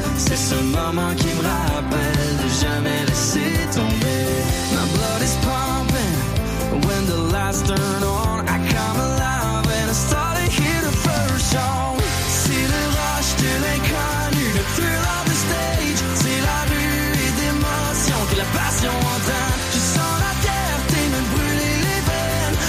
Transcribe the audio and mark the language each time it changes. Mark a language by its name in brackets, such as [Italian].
[French] C'est ce moment qui me rappelle de jamais laisser tomber. [English] My blood is pumping when the lights turn on. I come alive and I start to hear the first song. [French] C'est le rush de l'inconnu, le [English] thrill of the stage. [French] C'est la ruée d'émotions que la passion entraîne. Tu sens la terre, tes mains brûler les veines.